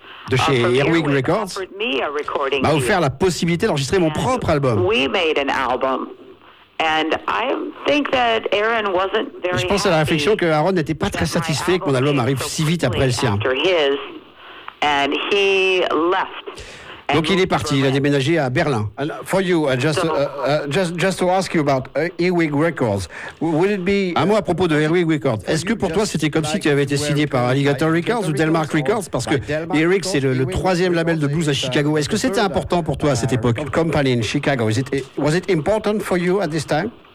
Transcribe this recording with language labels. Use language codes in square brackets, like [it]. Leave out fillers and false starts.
[fr] de chez Earwig Records m'a offert la possibilité d'enregistrer mon propre album. [en] We made an album. And I think that Aaron wasn't very [fr] je pense à la réflexion que Aaron n'était pas très satisfait que mon album arrive si vite après le sien. [en] And he left. [fr] Donc il est parti, il a déménagé à Berlin. [en] And for you, just to ask you about Earwig Records, would it be [fr] un mot à propos de Earwig Records. Est-ce que pour toi c'était comme si tu avais été signé par Alligator Records ou Delmark Records, parce que Earwig c'est le troisième label de blues à Chicago. Est-ce que c'était important pour toi à cette époque? [en] Company in Chicago. Was it important for you at this time?